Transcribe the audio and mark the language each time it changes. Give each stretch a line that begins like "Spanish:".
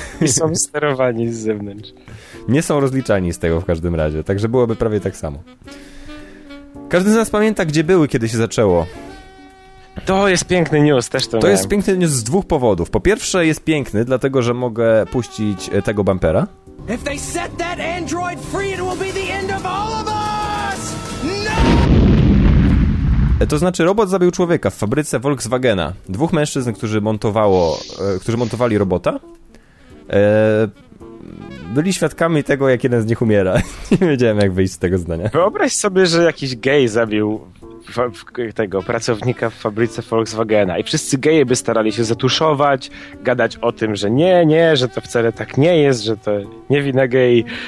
Polish: I są sterowani z zewnątrz. Nie są rozliczani z tego w każdym razie, także byłoby prawie tak samo. Każdy z nas pamięta, gdzie były, kiedy się zaczęło. To jest piękny news, też to miałem. To jest piękny news z dwóch powodów. Po pierwsze, jest piękny, dlatego że mogę puścić tego bumpera.
English: If they set that android free, it will be the end of all of us! No!
Polish: To znaczy, robot zabił człowieka w fabryce Volkswagena. Dwóch mężczyzn, którzy montowali robota. Byli świadkami tego, jak jeden z nich umiera. Nie wiedziałem, jak wyjść z tego zdania. Wyobraź sobie, że jakiś gej zabił tego pracownika w fabryce Volkswagena i wszyscy geje by starali się zatuszować, gadać o tym, że nie, że to wcale tak nie jest, że to niewinny gej.